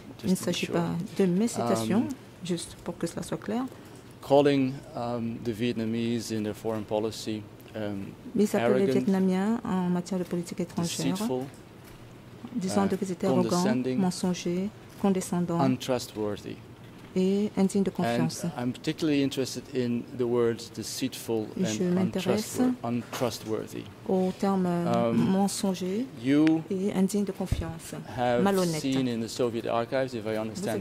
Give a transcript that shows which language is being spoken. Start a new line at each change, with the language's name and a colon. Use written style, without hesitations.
French: Il ne s'agit pas de mes citations, juste pour que cela soit clair.
English: Calling the Vietnamese in their foreign policy
French: Ils appellent les Vietnamiens en matière de politique étrangère, disant qu'ils étaient arrogants, mensongers, condescendants,
English: untrustworthy.
French: Et indignes de confiance.
English: And I'm particularly interested in the words deceitful and untrustworthy.
French: Au terme mensonger et indigne de confiance, malhonnête.
English: Seen in the Soviet archives, if I understand